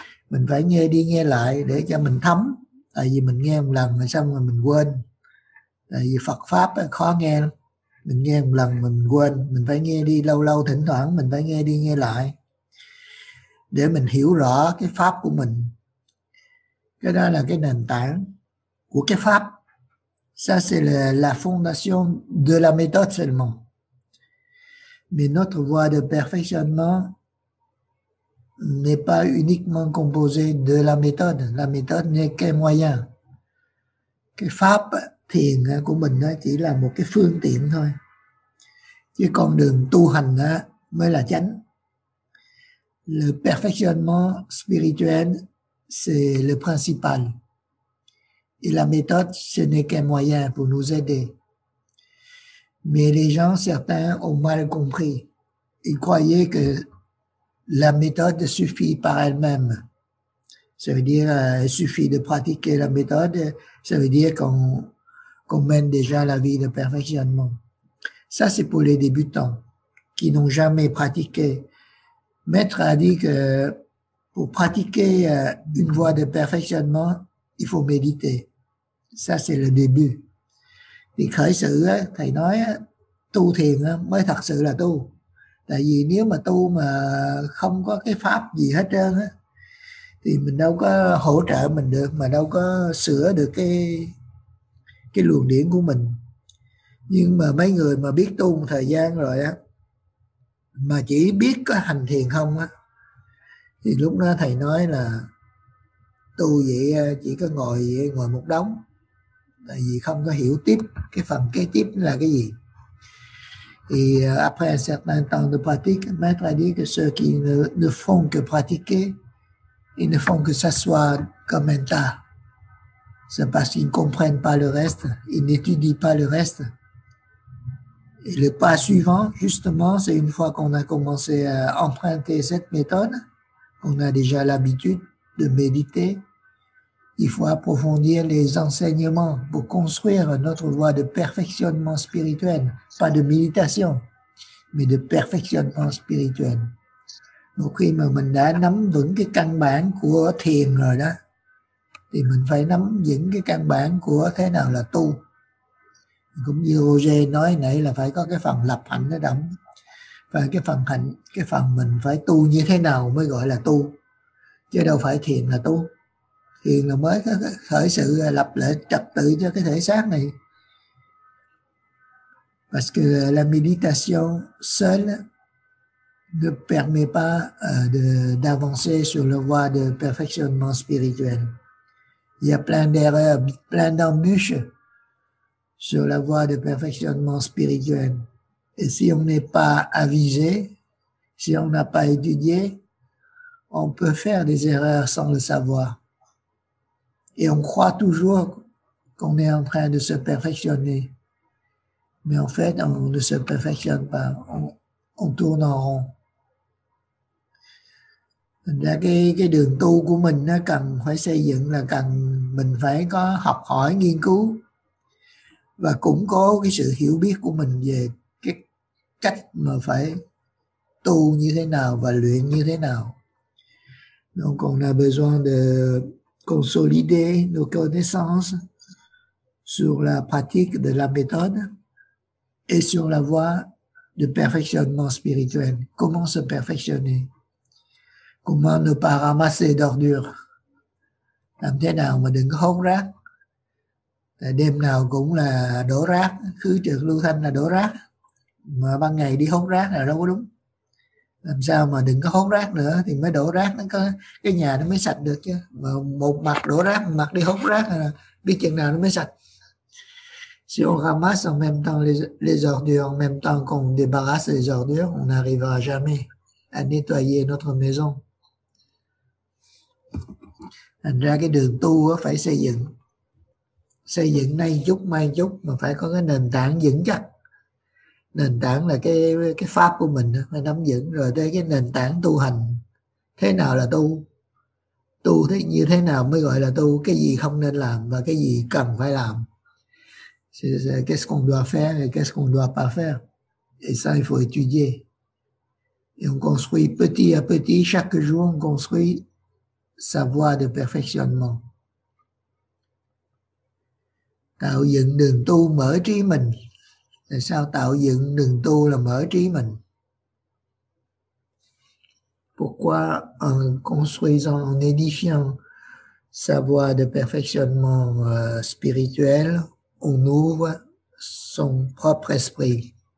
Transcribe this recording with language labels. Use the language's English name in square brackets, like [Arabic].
[Vietnamese] Mình phải nghe đi nghe lại để cho mình thấm. Tại vì mình nghe một lần rồi xong rồi mình quên. Tại vì Phật Pháp khó nghe lắm. Mình nghe một lần mình quên. Mình phải nghe đi lâu lâu, thỉnh thoảng mình phải nghe đi nghe lại. để mình hiểu rõ cái pháp của mình. Cái đó là cái nền tảng của cái pháp. [French] Ça c'est le, la fondation de la méthode seulement. Mais notre voie de perfectionnement n'est pas uniquement composée de la méthode. La méthode n'est qu'un moyen. [Vietnamese] Cái pháp thiền của mình chỉ là một cái phương tiện thôi. Chứ con đường tu hành mới là chánh. [French] Le perfectionnement spirituel, c'est le principal. Et la méthode, ce n'est qu'un moyen pour nous aider. Mais les gens, certains, ont mal compris. Ils croyaient que la méthode suffit par elle-même. Ça veut dire qu'il suffit de pratiquer la méthode. Ça veut dire qu'on mène déjà la vie de perfectionnement. Ça, c'est pour les débutants qui n'ont jamais pratiqué. Maître a dit que pour pratiquer une voie de perfectionnement, il faut méditer. Ça, c'est le début. [Vietnamese] Thì khởi sự, thầy nói, tu thiền mới thật sự là tu. Tại vì nếu mà tu mà không có cái pháp gì hết trơn, thì mình đâu có hỗ trợ mình được, mà đâu có sửa được cái luồng điển của mình. Nhưng mà mấy người mà biết tu một thời gian rồi á, mà chỉ biết có hành thiền không á, thì lúc đó thầy nói là tu vậy chỉ có ngồi vậy, ngồi một đống, tại vì không có hiểu tiếp cái phần kế tiếp là cái gì. Thì [French] après un certain temps de pratique, maître a dit que ceux qui ne font que pratiquer, ils ne font que s'asseoir comme un tas. C'est parce qu'ils ne comprennent pas le reste, ils n'étudient pas le reste. Et le pas suivant, justement, c'est une fois qu'on a commencé à emprunter cette méthode, on a déjà l'habitude de méditer. Il faut approfondir les enseignements pour construire notre voie de perfectionnement spirituel. Pas de méditation, mais de perfectionnement spirituel. Donc, [Vietnamese] khi mà mình đã nắm vững cái căn bản của thiền rồi đó, thì mình phải nắm vững cái căn bản của thế nào là tu. Cũng như Roger nói nãy là phải có cái phần lập hạnh đó đậm. Và cái phần hạnh, cái phần mình phải tu như thế nào mới gọi là tu. Chứ đâu phải thiền là tu. Thiền là mới khởi sự lập lại trật tự cho cái thể xác này. [French] Parce que la méditation seule ne permet pas d'avancer sur la voie de perfectionnement spirituel. Il y a plein d'erreurs, plein d'embûches sur la voie de perfectionnement spirituel. Et si on n'est pas avisé, si on n'a pas étudié, on peut faire des erreurs sans le savoir. Et on croit toujours qu'on est en train de se perfectionner. Mais en fait, on ne se perfectionne pas. On tourne en rond. [Vietnamese] Thành ra cái đường tu của mình nó cần phải xây dựng là cần mình phải có học hỏi, nghiên cứu và củng cố cái sự hiểu biết của mình về cái cách mà phải tu như thế nào và luyện như thế nào. [French] Donc on a besoin de consolider nos connaissances sur la pratique de la méthode et sur la voie de perfectionnement spirituel. Comment se perfectionner? Comment ne pas ramasser d'ordures? [Vietnamese] Làm thế nào mà đừng có hốt rác? Đêm nào cũng là đổ rác, khứ trực lưu thanh là đổ rác. Mà ban ngày đi hốt rác là đâu có đúng. Làm sao mà đừng có hốt rác nữa thì mới đổ rác, nó có cái nhà nó mới sạch được chứ. Mà một mặt đổ rác, một mặt đi hốt rác là biết chừng nào nó mới sạch. [French] Si on ramasse en même temps les ordures, en même temps qu'on débarrasse les ordures, on n'arrivera jamais à nettoyer notre maison. [Vietnamese] Thành ra cái đường tu phải xây dựng. Xây dựng nay chút mai chút mà phải có cái nền tảng vững chắc. Nền tảng là cái pháp của mình phải nắm vững, rồi tới cái nền tảng tu hành. Thế nào là tu? Tu thế như thế nào mới gọi là tu? Cái gì không nên làm và cái gì cần phải làm? [French] Qu'est-ce qu'on doit faire et qu'est-ce qu'on doit pas faire? Et ça, il faut étudier. Et on construit petit à petit, chaque jour, on construit sa voie de perfectionnement. [Vietnamese] Tạo dựng đường tu mở trí mình. Tại sao tạo dựng đường tu là mở trí mình? [French] Pourquoi en construisant, en édifiant sa voie de perfectionnement spirituel, on ouvre son propre esprit?